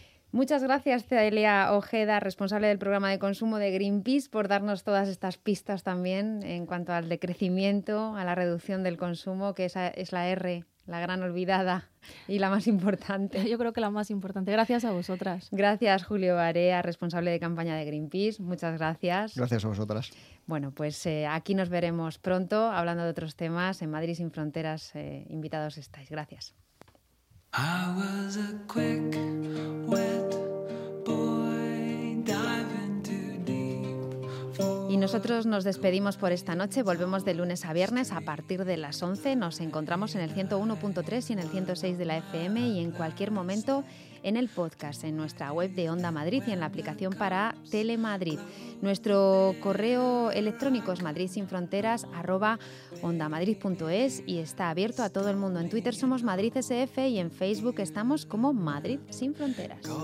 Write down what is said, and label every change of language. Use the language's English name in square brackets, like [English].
[Spanish] Muchas gracias, Celia Ojeda, responsable del programa de consumo de Greenpeace, por darnos todas estas pistas también en cuanto al decrecimiento, a la reducción del consumo, que esa es la R, la gran olvidada y la más importante. Yo creo que la más importante. Gracias a vosotras. Gracias, Julio Barea, responsable de campaña de Greenpeace. Muchas gracias. Gracias a vosotras. Bueno, pues aquí nos veremos pronto hablando de otros temas. En Madrid sin Fronteras, invitados estáis. Gracias. [English] I was a quick, wet boy, diving too deep. [Spanish] Y nosotros nos despedimos por esta noche. Volvemos de lunes a viernes a partir de las 11. Nos encontramos en el 101.3 y en el 106 de la FM y en cualquier momento en el podcast, en nuestra web de Onda Madrid y en la aplicación para Telemadrid. Nuestro correo electrónico es madridsinfronteras@ondamadrid.es y está abierto a todo el mundo. En Twitter somos Madrid SF y en Facebook estamos como Madrid Sin Fronteras.